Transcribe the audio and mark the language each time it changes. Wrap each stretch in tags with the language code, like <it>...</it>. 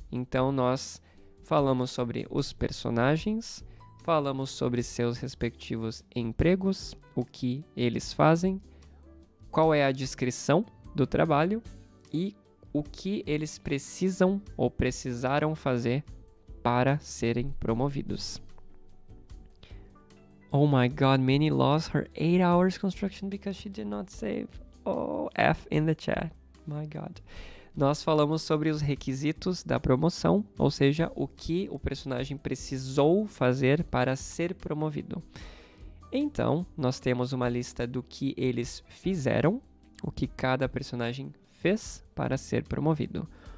<pt>Então, nós falamos sobre os personagens, falamos sobre seus respectivos empregos, o que eles fazem, qual é a descrição do trabalho e o que eles precisam ou precisaram fazer para serem promovidos.</pt> <en>Oh my god, Minnie lost her 8 hours construction because she did not save. Oh, F in the chat. My god.</en> <pt>Nós falamos sobre os requisitos da promoção, ou seja, o que o personagem precisou fazer para ser promovido. Então, nós temos uma lista do que eles fizeram, o que cada personagem fez para ser promovido.</pt>